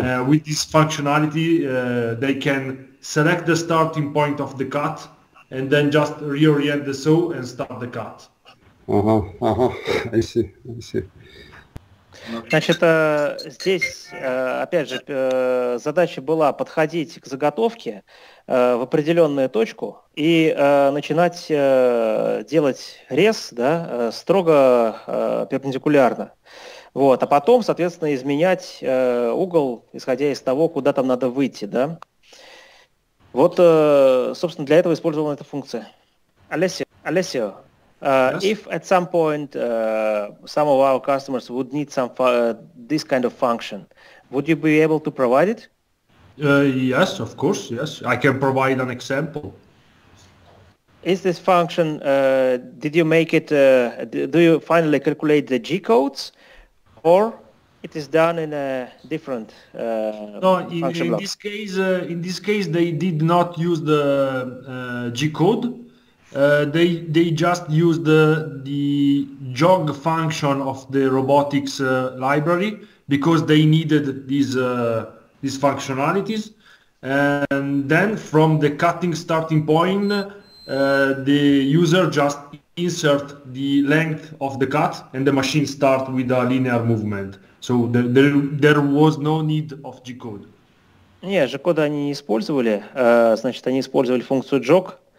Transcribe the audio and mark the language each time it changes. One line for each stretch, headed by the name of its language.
English: With this functionality, they can select the starting point of the cut and then just reorient the saw and start the cut. I see.
Russian: Значит, здесь, опять же, задача была подходить к заготовке в определенную точку и начинать делать рез, да, строго перпендикулярно. Вот. А потом, соответственно, изменять угол, исходя из того, куда там надо выйти. Да. Вот, собственно, для этого использована эта функция.
English: Alessio. Yes. If at some point some of our customers would need some this kind of function, would you be able to provide it? Yes, of course, yes. I can provide an example. Is this function, did you make it, do you finally calculate the G-codes, or it is done in a different function block? In this case, they did not use the G-code. They just used the jog function of the robotics library, because they needed these functionalities. And then from the cutting starting point, the user just insert the length of the cut, and the machine start with a linear movement. So there was no need of G-code.
Russian: Нет, G-code они не использовали. Значит, они использовали функцию jog.